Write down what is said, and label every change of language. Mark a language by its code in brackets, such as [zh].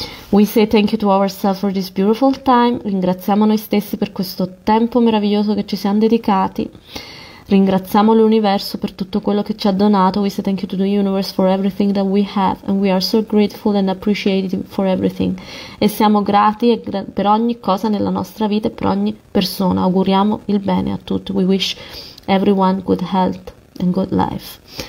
[en] We say thank you to ourselves for this beautiful time. [it] Ringraziamo noi stessi per questo tempo meraviglioso che ci siamo dedicati. Ringraziamo l'universo per tutto quello che ci ha donato. [en] We say thank you to the universe for everything that we have. And we are so grateful and appreciative for everything. [it] E siamo grati per ogni cosa nella nostra vita e per ogni persona. Auguriamo il bene a tutti. [en] We wish everyone good health and good life.